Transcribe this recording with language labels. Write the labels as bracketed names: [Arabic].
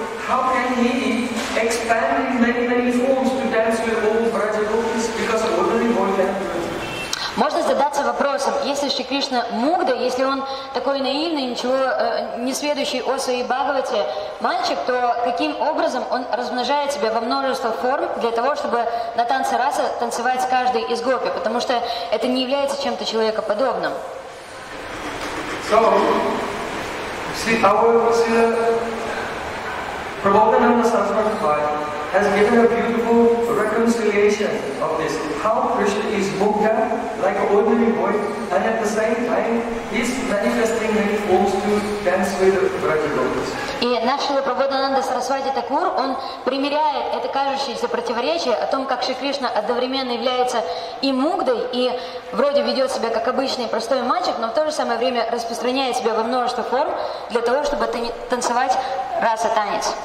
[English] how can he expand in many, many forms to dance with all Vrajagopis because of only one temple? [Russian] Можно задаться вопросом, если Шри Кришна мугда, если он такой наивный, ничего не сведущий о своей Бхагавате мальчик, то каким образом он размножает себя во множество форм для того, чтобы на танце раса танцевать с каждой из гопи, потому что это не является чем-то человекоподобным. [English] So, see, Prabhupada has given a beautiful reconciliation of this. How Krishna is mukta like an ordinary boy, and at the same time, he's manifesting many forms to dance with Vrajagopis. [Russian] И наш Шрила Прабхупада Сарасвати Такур, он примеряет это кажущееся противоречие о том, как Шри Кришна одновременно является и мугдой, и вроде ведет себя как обычный простой мальчик, но в то же самое время распространяет себя во множество форм для того, чтобы танцевать раса-танец.